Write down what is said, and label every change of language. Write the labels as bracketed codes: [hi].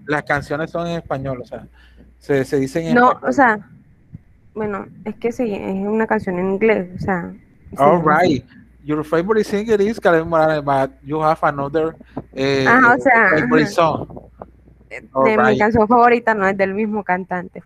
[es] Las canciones son en español, o sea, se dicen en no, español. O sea, bueno, es que sí, es una canción en inglés, o sea. [en] All right. Your favorite singer is Khaled Morales, but you have another favorite song. [es] De mi canción favorita no es del mismo cantante.